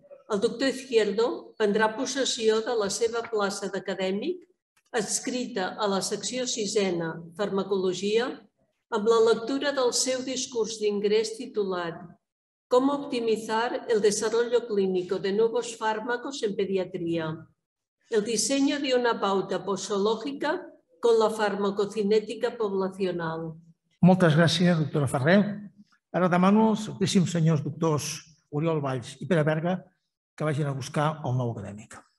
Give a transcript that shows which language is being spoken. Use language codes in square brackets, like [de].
[ca] El doctor Izquierdo prendrà possessió de la seva plaça d'acadèmic adscrita a la secció 6a, Farmacologia, amb la lectura del seu discurs d'ingrés titulat «Com [es] optimizar el desarrollo clínico de nuevos fármacos en pediatría? El diseño de una pauta posológica con la farmacocinética poblacional». [ca] Moltes gràcies, doctora Ferrer. Ara demano als altíssims senyors doctors Oriol Valls i Pere Berga que vagin a buscar el nou acadèmic.